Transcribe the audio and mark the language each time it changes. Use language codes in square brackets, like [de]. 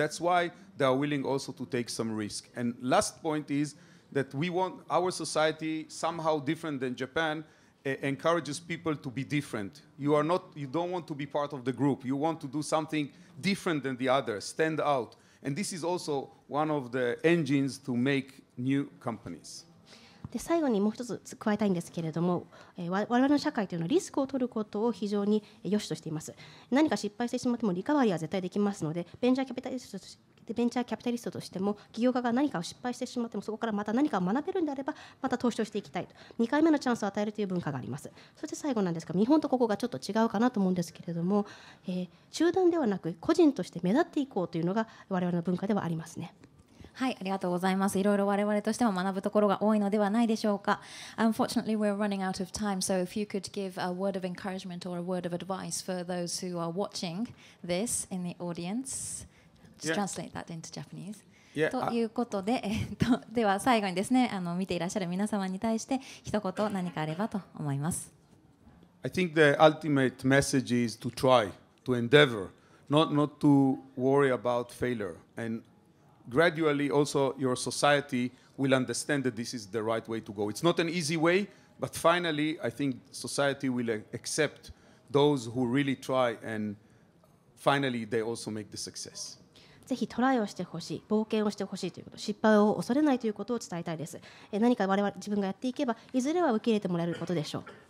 [en] That's why they are willing also to take some risk. And last point is that we want our society, somehow different than Japan, encourages people to be different. You don't want to be part of the group. You want to do something different than the other, stand out. And this is also one of the engines to make new companies. [ja] で、最後にもう一つ加えたいんですけれども、我々の社会というのはリスクを取ることを非常に良しとしています。何か失敗してしまってもリカバリーは絶対できますので、ベンチャーキャピタリストとしても、企業家が何かを失敗してしまっても、そこからまた何かを学べるんであれば、また投資をしていきたいと。 2回目のチャンスを与えるという文化があります。そして最後なんですが、日本とここがちょっと違うかなと思うんですけれども、集団ではなく個人として目立っていこうというのが我々の文化ではありますね。はい、ありがとうございます。いろいろ我々としても学ぶところが多いのではないでしょうか。 [en] Unfortunately, we're running out of time, so if you could give a word of encouragement or a word of advice for those who are watching this in the audience. Just translate that into Japanese. Yeah, [ja] ということで、では最後にですね、見ていらっしゃる皆様に対して一言何かあればと思います。 [en] I think the ultimate message is to try, to endeavor, not to worry about failure. And gradually also your society will understand that this is the right way to go. It's not an easy way, but finally I think society will accept those who really try and finally they also make the success. [ja] ぜひトライをしてほしい、冒険をしてほしいということ、失敗を恐れないということを伝えたいです。何か我々自分がやっていけば、いずれは受け入れてもらえることでしょう。